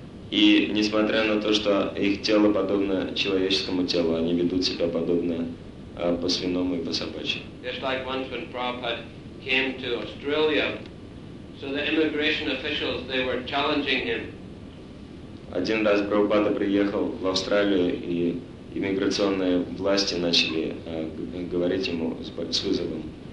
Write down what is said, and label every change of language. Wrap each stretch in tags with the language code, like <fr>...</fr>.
<ru>И несмотря на то, что их тело подобно человеческому телу, они ведут себя подобно по свиному и по собачьи.</ru> <en>Just like once when Prabhupada came to Australia, so the immigration officials, they were challenging him.</en> <ru>Один раз Прабхупада приехал в Австралию, и иммиграционные власти начали говорить ему с вызовом.</ru>